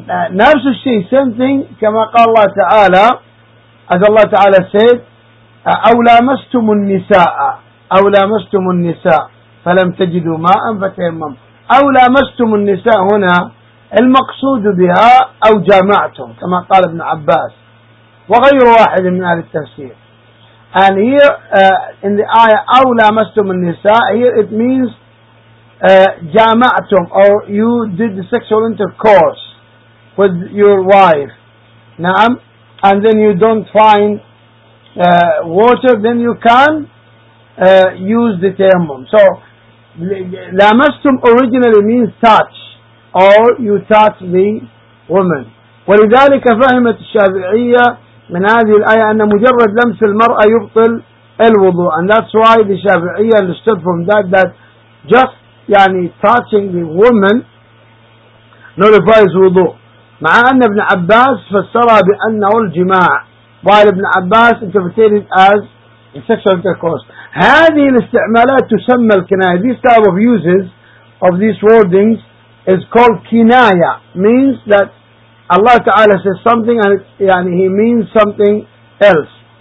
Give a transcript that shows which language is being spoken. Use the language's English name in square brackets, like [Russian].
[Arabic] نفس الشيء [English] same thing [Arabic] كما قال الله تعالى، as الله تعالى said أو لامستم النساء، أو لامستم النساء فلم تجدوا ماء فتيمم. أو لامستم النساء هنا المقصود بها أو جامعتم كما قال ابن عباس وغير واحد من أهل التفسير. [English] And here in the ayah [Arabic] أو لامستم النساء، [English] here it means [Arabic] جامعتم [English] or you did the sexual intercourse with your wife. نعم، and then you don't find water, then you can use the tayammum. So لامستم originally means touch, or you touch the woman. [Arabic] ولذلك فهمت الشافعية من هذه الآية أن مجرد لمس المرأة يبطل الوضوء. [English] And that's why the شافعية understood from that just يعني touching the woman nullifies وضوء. [Arabic] مع أن ابن عباس فسرها بأنه الجماع، وقال ابن عباس [English] interpreted as sexual intercourse. [Arabic] هذه الاستعمالات تسمى الكناية. [English] These type of uses of these wordings is called كناية. Means that Allah Ta'ala says something and يعني he means something else.